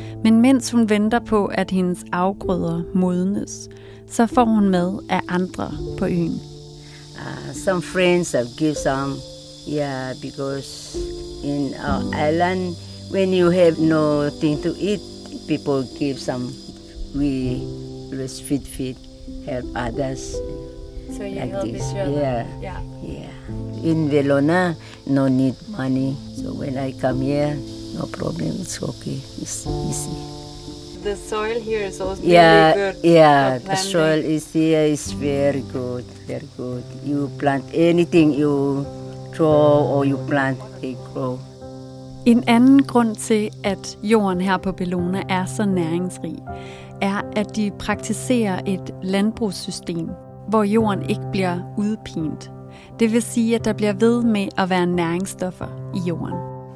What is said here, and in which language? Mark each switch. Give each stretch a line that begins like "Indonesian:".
Danish: Men mens hun venter på, at hendes afgrøder modnes, så får hun mad af andre på øen.
English: Some friends have given some. Yeah, because in our island, when you have nothing to eat, people give some. We always feed, help others. So you like help this. Each other. Yeah. In Bellona, no need money. So when I come here, no problem. It's okay. It's easy. The soil here is also very good. Yeah, the soil is here is very good. Very good. You plant anything you throw or you plant, they grow.
Danish: En anden grund til, at jorden her på Bellona er så næringsrig, er, at de praktiserer et landbrugssystem, hvor jorden ikke bliver udpint. Det vil sige, at der bliver ved med at være næringsstoffer i jorden.